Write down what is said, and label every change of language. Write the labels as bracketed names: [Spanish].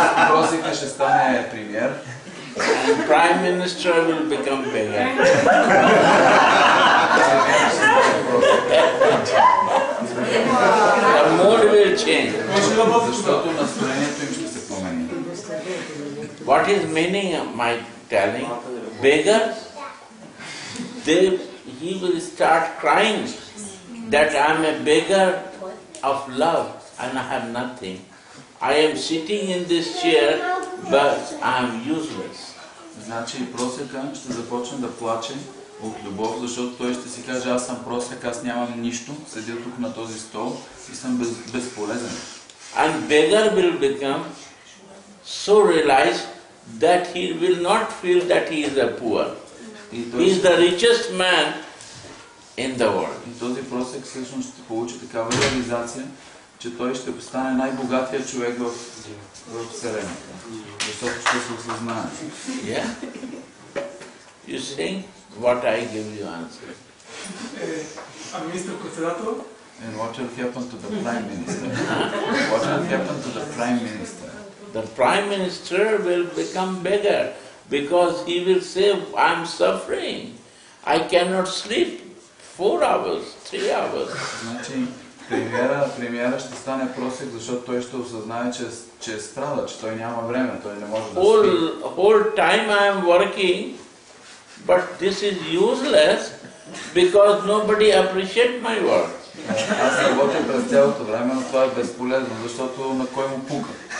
[Bulgarian] Prosika ще стане премиер. [English] And prime minister will become beggar. The mood will change. [Bulgarian] Защото настроението им ще се промени. [English] What is meaning my telling? Beggar, he will start crying that I am a beggar of love and I have nothing. I am sitting in this chair, but I am useless. [Bulgarian] Значи просека ще започне да плаче от любов, защото той ще си каже, аз съм просек, аз нямам нищо, седя тук на този стол и съм безполезен. [English] And beggar will become so realized that he will not feel that he is a poor. He is the richest man in the world. [Bulgarian] И този просек всъщност ще получи такава реализация, че той ще стане най-богатия човек в Вселената. Защото ще се осъзнае. [English] Yeah? You see? What I give you answer. [Bulgarian] Министър-председател? [English] And what will happen to the Prime Minister? What will happen to the Prime Minister? The Prime Minister will become beggar because he will say, I'm suffering. I cannot sleep 4 hours, 3 hours. [Bulgarian] премиера ще стане просек, защото той ще осъзнае, че страда, че той няма време, той не може да спи. [English] Whole time I am working, but this is useless because nobody appreciate my work. [Bulgarian] Аз работя през цялото време, но това е безполезно, защото на кой му пука?